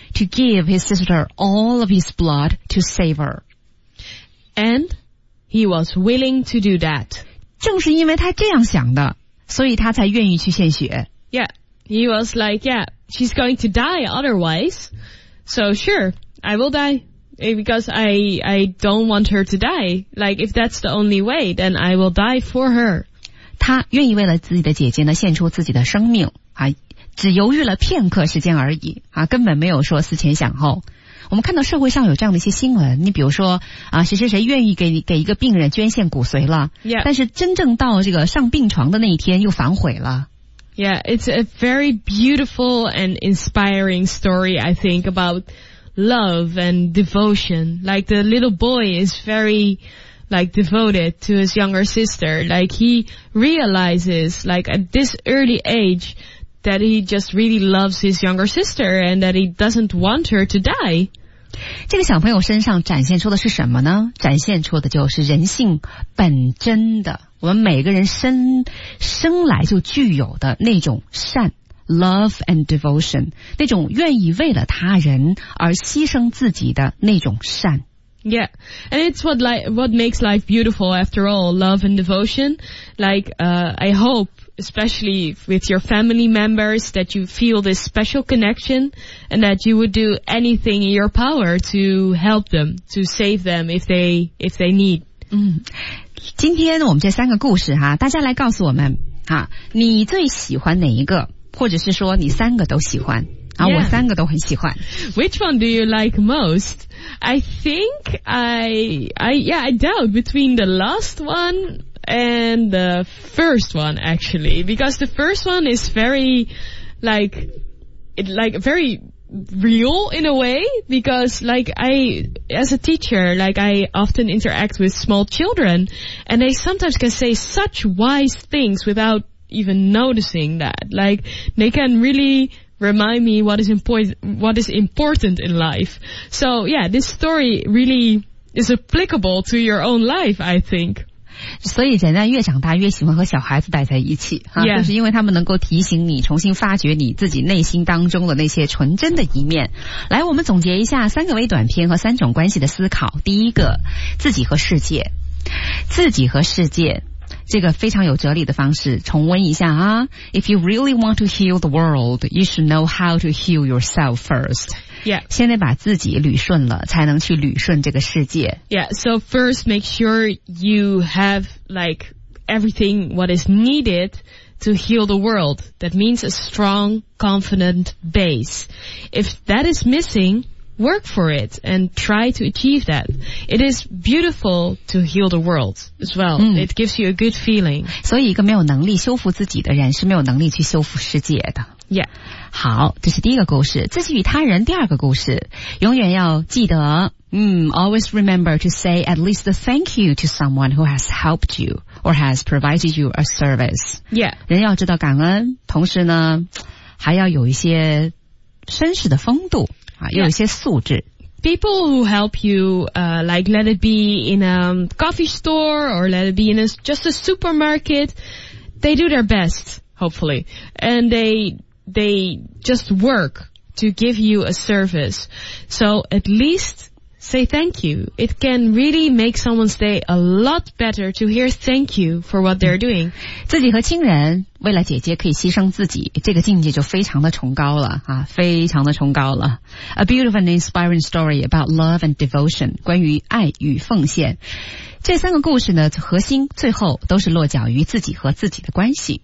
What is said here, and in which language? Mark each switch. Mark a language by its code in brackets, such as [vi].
[en] To give his sister all of his blood to save her. And he was willing to do that. [zh] 正是因为他这样想的，所以他才愿意去献血。 [en] Yeah. He was like, yeah, she's going to die otherwise. So sure, I will die. Because I don't want her to die. Like, if that's the only way, then I will die for her. [zh] 他愿意为了自己的姐姐呢，献出自己的生命。啊，只犹豫了片刻时间而已。啊，根本没有说思前想后。我们看到社会上有这样的一些新闻，你比如说啊，谁谁谁愿意给一个病人捐献骨髓了。 [en] Yeah. [zh] 但是真正到这个上病床的那一天又反悔了。 [en] Yeah, it's a very beautiful and inspiring story, I think, about love and devotion. Like, the little boy is very, like, devoted to his younger sister. Like, he realizes, like, at this early age, that he just really loves his younger sister and that he doesn't want her to die. [zh] 这个小朋友身上展现出的是什么呢？展现出的就是人性本真的，我们每个人生来就具有的那种善 , [en] love and devotion, [zh] 那种愿意为了他人而牺牲自己的那种善。 [en] Yeah, and it's what makes life beautiful after all, love and devotion. Like, I hope, especially with your family members, that you feel this special connection and that you would do anything in your power to help them, to save them if they need. [zh] 今天我们这三个故事哈，大家来告诉我们哈，你最喜欢哪一个，或者是说你三个都喜欢。 [en] Yeah. [zh] 我三个都很喜欢。 [en] Which one do you like most? I think I doubt between the last one and the first one actually, because the first one is very very real in a way, because like I, as a teacher, like I often interact with small children and they sometimes can say such wise things without even noticing that. Like they can reallyremind me what is important in life. So yeah, this story really is applicable to your own life, I think. [zh] 所以人家越长大越喜欢和小孩子待在一起、啊 [en] yeah. [zh] 就是因为他们能够提醒你重新发掘你自己内心当中的那些纯真的一面。来，我们总结一下三个微短篇和三种关系的思考。第一个，自己和世界。自己和世界这个非常有哲理的方式，重温一下啊。 [en] If you really want to heal the world, you should know how to heal yourself first. Yeah. [zh] 先得把自己捋顺了，才能去捋顺这个世界。 [en] Yeah, so first make sure you have like everything what is needed to heal the world. That means a strong, confident base. If that is missing... work for it and try to achieve that. It is beautiful to heal the world as well.、嗯、 it gives you a good feeling. [zh] 所以一个没有能力修复自己的人是没有能力去修复世界的。 [en] Yeah. [zh] 好，这是第一个故事。自己与他人第二个故事，永远要记得 [en] Always remember to say at least a thank you to someone who has helped you or has provided you a service. Yeah. [zh] 人要知道感恩，同时呢还要有一些绅士的风度。有一些素质。 [en] People who help you, like let it be in a coffee store or let it be in just a supermarket, they do their best, hopefully. And they just work to give you a service. So at least say thank you. It can really make someone's day a lot better to hear thank you for what they're doing. [zh] 自己和亲人为了姐姐可以牺牲自己，这个境界就非常的崇高了啊，非常的崇高了。 [en] A beautiful and inspiring story about love and devotion, [zh] 关于爱与奉献。这三个故事呢，核心最后都是落脚于自己和自己的关系。